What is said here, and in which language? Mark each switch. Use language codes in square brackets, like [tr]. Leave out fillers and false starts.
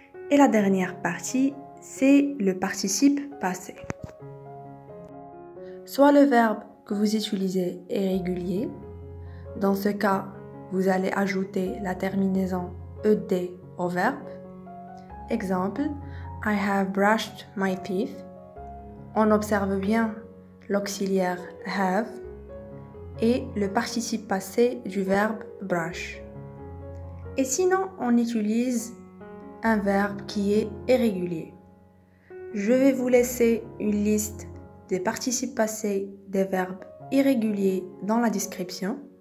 [fr] Et la dernière partie, c'est le participe passé. Soit le verbe que vous utilisez est régulier. Dans ce cas, vous allez ajouter la terminaison ed au verbe. Exemple, [en] I have brushed my teeth. [fr] On observe bien l'auxiliaire have et le participe passé du verbe brush. Et sinon, on utilise un verbe qui est irrégulier. Je vais vous laisser une liste des participes passés des verbes irréguliers dans la description.